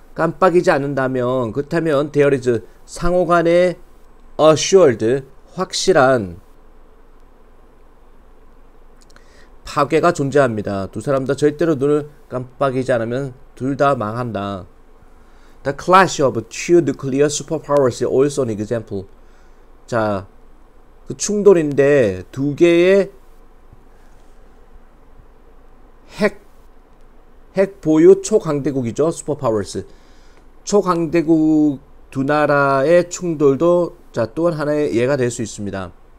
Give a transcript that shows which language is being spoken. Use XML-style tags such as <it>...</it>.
<ko>깜빡이지 않는다면, 그렇다면, there is 상호 간의 assured, 확실한 파괴가 존재합니다. 두 사람 다 절대로 눈을 깜빡이지 않으면 둘다 망한다.</ko> <en>The clash of two nuclear superpowers is also an example.</en> <ko>자, 그 충돌인데 두 개의 핵 보유 초강대국이죠. 슈퍼파워스. 초강대국 두 나라의 충돌도 자, 또 하나의 예가 될수 있습니다.</ko>